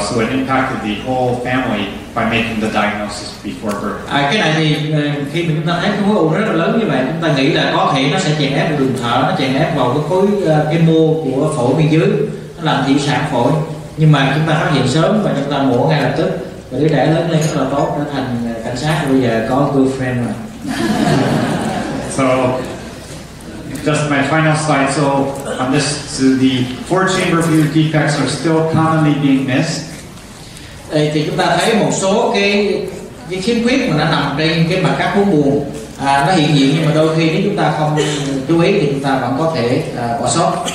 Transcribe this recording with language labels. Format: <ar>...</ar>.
<en>So it impacted the whole family by making the diagnosis before birth.</en> <vi>Cái này thì khi mà chúng ta thấy cái khối u rất là lớn như vậy, chúng ta nghĩ là có thể nó sẽ chèn ép vào đường thở, nó chèn ép vào cái khối cái mô của phổi bên dưới, nó làm thị sản phổi. Nhưng mà chúng ta phát hiện sớm và chúng ta mổ ngay lập tức. Và đứa trẻ lớn lên rất là tốt, trở thành cảnh sát bây giờ có girlfriend rồi.</vi> <en>So just my final slide. So on this, so the four chamber view defects are still commonly being missed.</en> <vi>Thì chúng ta thấy một số cái khiếm khuyết mà nó nằm trên cái mặt cắt bốn buồng nó hiện diện, nhưng mà đôi khi nếu chúng ta không chú ý thì chúng ta vẫn có thể bỏ sót.</vi>